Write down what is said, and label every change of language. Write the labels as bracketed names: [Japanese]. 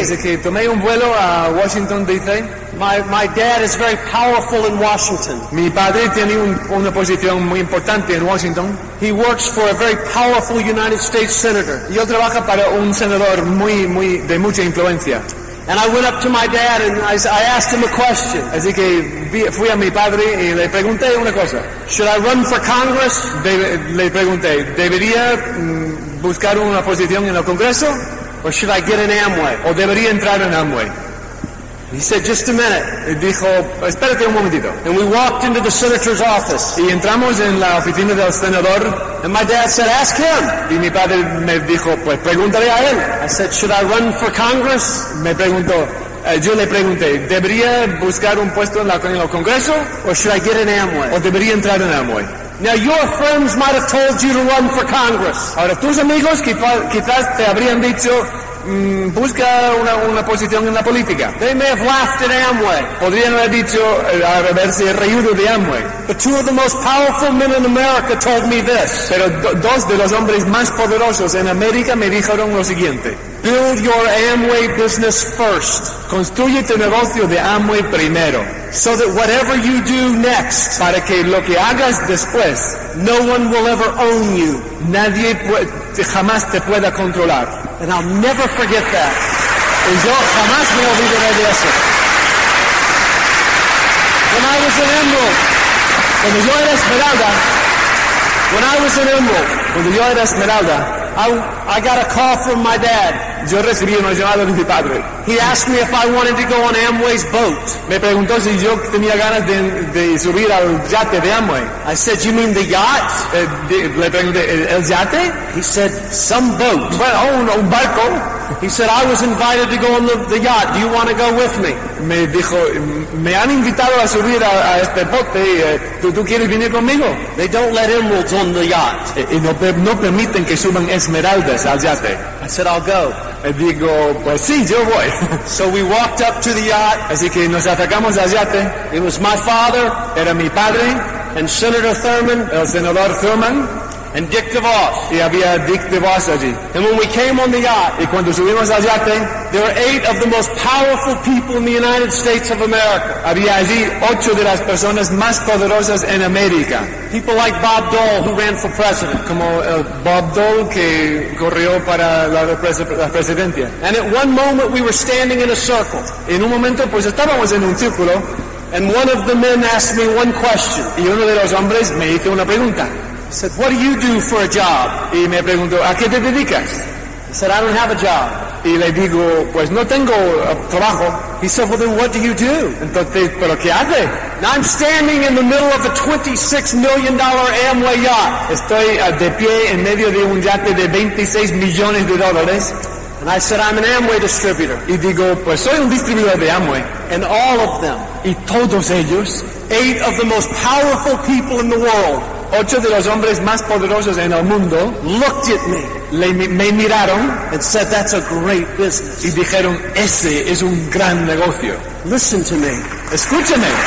[Spanish] Así que tomé un vuelo a Washington, D.C. [English] My dad is very powerful in Washington. [Spanish] Mi padre tiene una posición muy importante en Washington. [English] He works for a very powerful United States senator. [Spanish] Y él trabaja para un senador muy de mucha influencia. [English] And I went up to my dad and I asked him a question. [Spanish] Así que fui a mi padre y le pregunté una cosa. [English] Should I run for Congress? [Spanish] Le pregunté, ¿debería buscar una posición en el Congreso? [English] Or should I get an Amway? [Spanish] ¿O debería entrar en Amway? [English] He said, just a minute. [Spanish] Y dijo, espérate un momentito. [English] And we walked into the senator's office. [Spanish] Y entramos en la oficina del senador. [English] And my dad said, ask him. [Spanish] Y mi padre me dijo, pues pregúntale a él. [English] I said, should I run for Congress? [Spanish] Me preguntó. Yo le pregunté, ¿debería buscar un puesto en el Congreso? [English] Or should I get an Amway? [Spanish] ¿O debería entrar en Amway? [English] Now your friends might have told you to run for Congress. [Spanish] Ahora tus amigos quizás te habrían dicho, busca una posición en la política. [English] They may have laughed at Amway. [Spanish] Podrían haber dicho, haberse reído de Amway. [English] But two of the most powerful men in America told me this. [Spanish] Pero dos de los hombres más poderosos en América me dijeron lo siguiente. [English] Build your Amway business first. [Spanish] Construye tu negocio de Amway primero. [English] So that whatever you do next, [Spanish] para que lo que hagas después, [English] no one will ever own you. [Spanish] Nadie jamás te pueda controlar. [English] And I'll never forget that. [Spanish] Y yo jamás me olvidaré de eso. [English] When I was in Emerald, [Spanish] cuando yo era Esmeralda, [English] when I was in Emerald, [Spanish] cuando yo era Esmeralda, [English] I got a call from my dad. [Spanish] Yo recibí una llamada de mi padre. [English] He asked me if I wanted to go on Amway's boat. [Spanish] Me preguntó si yo tenía ganas de subir al yate de Amway. [English] I said, you mean the yacht? [Spanish] Le pregunté, ¿el yate? [English] He said, some boat. [Spanish] Bueno, un barco. [English] He said, I was invited to go on the yacht. Do you want to go with me? [Spanish] Me dijo, me han invitado a subir a este bote. ¿Tú quieres venir conmigo? [English] They don't let emeralds on the yacht. [Spanish] Y no permiten que suban esmeraldas al yate. [English] I said, I'll go. [Spanish] Y digo, pues sí, yo voy. [English] So we walked up to the yacht. [Spanish] Así que nos acercamos al yate. [English] It was my father. [Spanish] Era mi padre. [English] And Senator Thurman. [Spanish] El senador Thurman. [English] And Dick DeVos. [Spanish] Y había Dick DeVos allí. [English] And when we came on the yacht, [Spanish] y cuando subimos al yate, [English] there were eight of the most powerful people in the United States of America. [Spanish] Había allí ocho de las personas más poderosas en América. [English] People like Bob Dole, who ran for president. [Spanish] Como Bob Dole, que corrió para la presidencia. [English] And at one moment, we were standing in a circle. [Spanish] En un momento, pues estábamos en un círculo. [English] And one of the men asked me one question. [Spanish] Y uno de los hombres me hizo una pregunta. [English] I said, what do you do for a job? [Spanish] Y me preguntó, ¿a qué te dedicas? [English] He said, I don't have a job. [Spanish] Y le digo, pues no tengo trabajo. [English] He said, well then what do you do? [Spanish] Entonces, ¿pero qué hace? [English] Now I'm standing in the middle of a $26 million Amway yacht. [Spanish] Estoy de pie en medio de un yate de 26 millones de dólares. [English] And I said, I'm an Amway distributor. [Spanish] Y digo, pues soy un distribuidor de Amway. [English] And all of them. [Spanish] Y todos ellos. [English] Eight of the most powerful people in the world. [Spanish] Ocho de los hombres más poderosos en el mundo [English] looked at me, [Spanish] me miraron [English] and said, that's a great business. [Spanish] Y dijeron, ese es un gran negocio. [English] Listen to me. [Spanish] Escúchame.